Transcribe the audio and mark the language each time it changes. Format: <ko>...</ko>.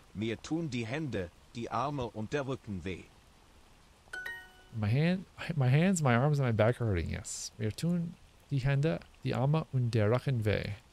<de>Mir tun die Hände, die Arme und der Rücken weh.</de> <en>My hands, my arms, and my back are hurting, yes.</en> <de>Mir tun die Hände, die Arme und der Rücken weh.</de>